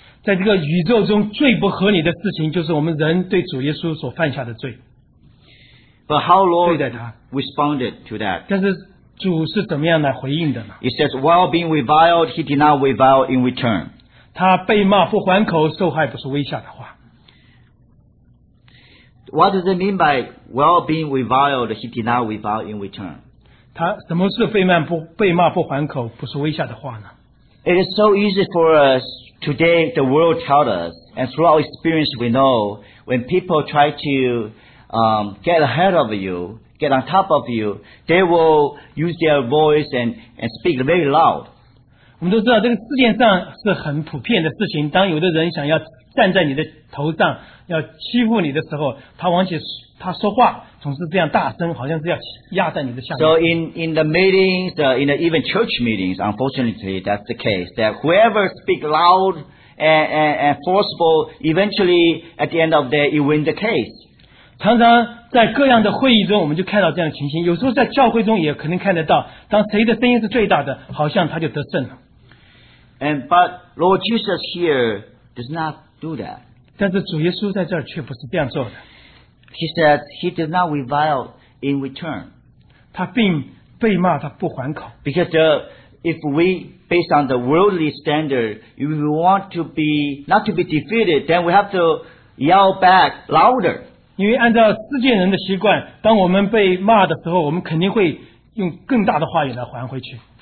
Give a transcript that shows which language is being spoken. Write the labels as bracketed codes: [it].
[zh] 在这个宇宙中最不合理的事情就是我们人对主耶稣所犯下的罪。 [en] But how Lord responded to that? [zh] 但是主是怎么样来回应的呢 [en] ？He says, while being reviled, he did not revile in return. [zh] 他被骂不还口，受害不是微笑的话。 [en] What does it mean by while being reviled, he did not revile in return? [zh] 他什么是被骂不还口，不是微笑的话呢 [en] ？It is so easy for us. Today, the world tells us, and through our experience, we know when people try to get ahead of you, get on top of you, they will use their voice and speak very loud. [zh] 我们都知道这个世界上是很普遍的事情。当有的人想要站在你的头上，要欺负你的时候，他说话总是这样大声，好像是要压在你的下面。 [en] So in the meetings, in the even church meetings, unfortunately, that's the case. That whoever speak loud and forceful, eventually at the end of the day, you win the case. [zh] 常常在各样的会议中我们就看到这样的情形，有时候在教会中也可能看得到，当谁的声音是最大的，好像他就得胜了。 [en] And, but Lord Jesus here does not do that. [zh] 但是主耶稣在这儿却不是这样做的。 [en] He said he did not revile in return. [zh] 他并被骂他不还口。 [en] Because the, if we, based on the worldly standard, if we want to be, not to be defeated, then we have to yell back louder. [zh] 因为按照世界人的习惯，当我们被骂的时候，我们肯定会用更大的话语来还回去。